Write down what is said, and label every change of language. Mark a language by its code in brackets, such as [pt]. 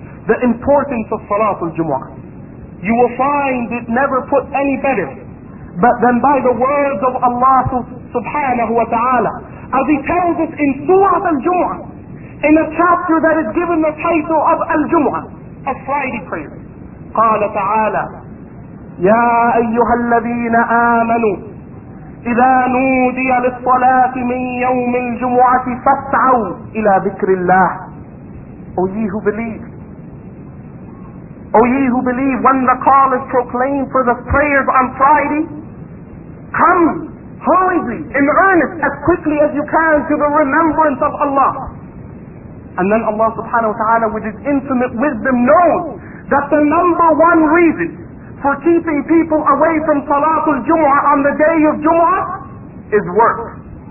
[en] The importance of salat al-jum'ah. You will find it never put any better but than by the words of Allah subhanahu wa ta'ala. As he tells us in surah al-jum'ah, in a chapter that is given the title of al-jum'ah, a Friday prayer. [ar] قال تعالى يا أيها الذين آمنوا إذا نودي للصلاة من يوم الجمعة فاسعوا إلى ذكر الله. [en] O ye who believe, O ye who believe, when the call is proclaimed for the prayers on Friday, come hurriedly, in earnest, as quickly as you can to the remembrance of Allah. And then Allah subhanahu wa ta'ala, with His infinite wisdom, knows that the number one reason for keeping people away from Salatul Jumu'ah on the day of Jumu'ah is work.